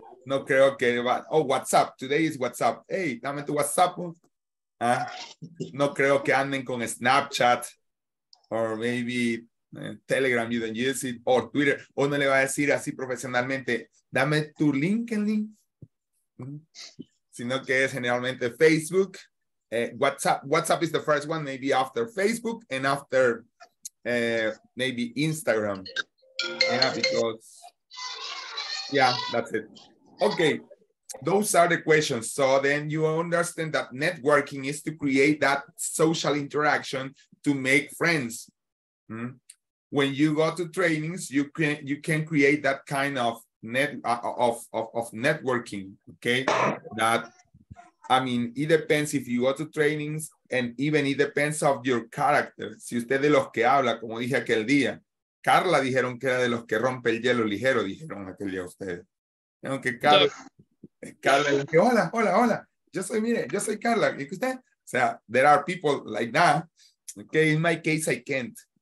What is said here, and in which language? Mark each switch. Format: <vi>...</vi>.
<es>No creo que va.</es> <en>Oh, WhatsApp. Today is WhatsApp.</en> <es>Hey, dame tu WhatsApp. No creo que anden con Snapchat.</es> <en>Or maybe Telegram, you don't use it. Or Twitter.</en> <es>O no le va a decir así profesionalmente, dame tu LinkedIn. Sino que es generalmente Facebook. WhatsApp.</es> <en>WhatsApp is the first one, maybe after Facebook and after maybe Instagram. Yeah, because. Yeah, that's it. Okay, those are the questions. So then you understand that networking is to create that social interaction to make friends. Mm-hmm. When you go to trainings, you can create that kind of networking. Okay, it depends if you go to trainings, and even it depends of your character.</en> <es>Si usted de los que habla, como dije aquel día, Carla dijeron que era de los que rompe el hielo ligero, dijeron aquel día ustedes. Aunque Carla, que hola, yo soy Carla, ¿y usted? O sea,</es> <en>there are people like that. Okay, in my case, I can't.</en>